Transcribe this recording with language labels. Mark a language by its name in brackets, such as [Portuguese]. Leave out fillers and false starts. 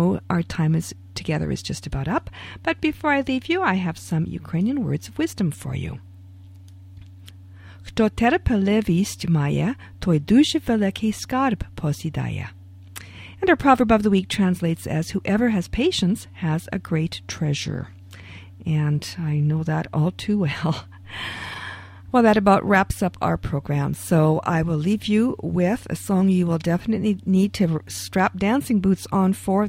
[English] Our time is together is just about up, but before I leave you, I have some Ukrainian words of wisdom for you. [Ukrainian] Хто терпеле вість має, той дуже великий скарб посідає. [English] And our proverb of the week translates as, whoever has patience has a great treasure. And I know that all too well. Well, that about wraps up our program. So I will leave you with a song you will definitely need to strap dancing boots on for.